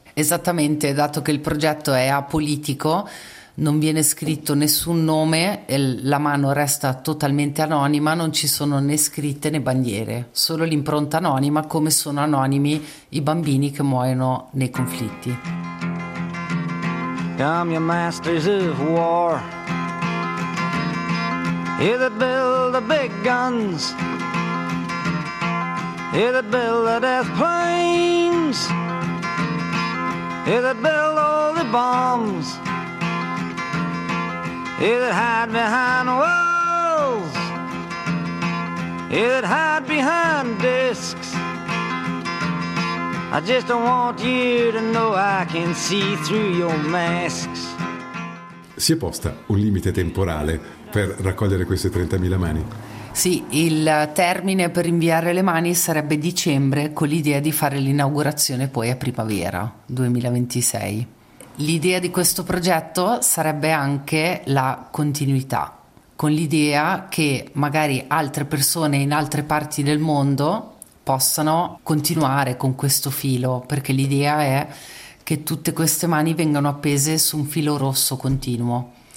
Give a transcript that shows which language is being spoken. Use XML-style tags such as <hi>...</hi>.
<it>Esattamente, dato che il progetto è apolitico, non viene scritto nessun nome, la mano resta totalmente anonima, non ci sono né scritte né bandiere, solo l'impronta anonima, come sono anonimi i bambini che muoiono nei conflitti.</it> <en>Come your masters of war, you that build the big guns, you that build the death planes, you that build all the bombs, you that hide behind walls, you that hide behind discs, I just don't want you to know I can see through your masks.</en> <it>Si è posta un limite temporale per raccogliere queste 30.000 mani? Sì, il termine per inviare le mani sarebbe dicembre, con l'idea di fare l'inaugurazione poi a primavera 2026. L'idea di questo progetto sarebbe anche la continuità, con l'idea che magari altre persone in altre parti del mondo possano continuare con questo filo, perché l'idea è che tutte queste mani vengano appese su un filo rosso continuo.</it>